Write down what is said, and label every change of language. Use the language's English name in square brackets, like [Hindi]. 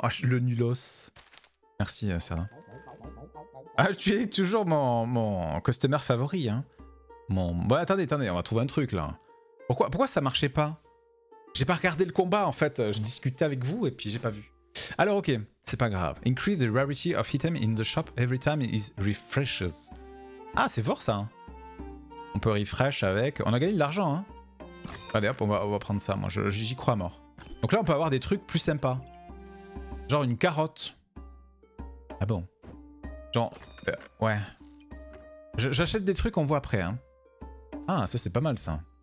[French] Ah, le nulos. Merci, Sarah. Ah, tu es toujours mon customer favori. Hein. Bon, attendez, on va trouver un truc là. Pourquoi ça marchait pas? J'ai pas regardé le combat en fait. Je discutais avec vous et puis j'ai pas vu. Alors ok, c'est pas grave. [English] Increase the rarity of item in the shop every time it refreshes. [French] Ah, c'est fort ça. On peut refresh avec... On a gagné de l'argent, hein. Allez hop, on va prendre ça, moi j'y crois à mort. Donc là on peut avoir des trucs plus sympas. Genre une carotte. Ah bon. Genre... ouais. J'achète des trucs, on voit après, hein. Ah, ça c'est pas mal ça.